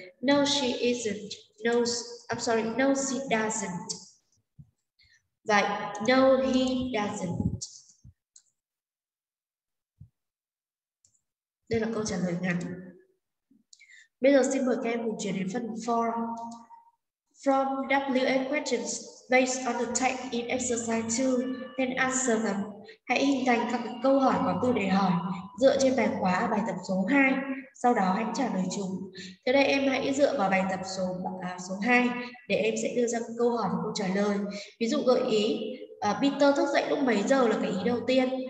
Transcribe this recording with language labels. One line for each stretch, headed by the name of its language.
English: No, she isn't. No, I'm sorry. No, she doesn't. Vậy, no, he doesn't.
Vietnamese: Đây là câu trả lời ngắn. Bây giờ xin mời các em cùng chuyển đến phần 4.
English: From WA questions based on the tag in exercise 2, then answer them.
Vietnamese: Hãy hình thành các câu hỏi có từ để hỏi dựa trên bài khóa bài tập số 2. Sau đó hãy trả lời chúng. Thế đây em hãy dựa vào bài tập số 2 để em sẽ đưa ra câu hỏi và câu trả lời. Ví dụ gợi ý, Peter thức dậy lúc mấy giờ là cái ý đầu tiên.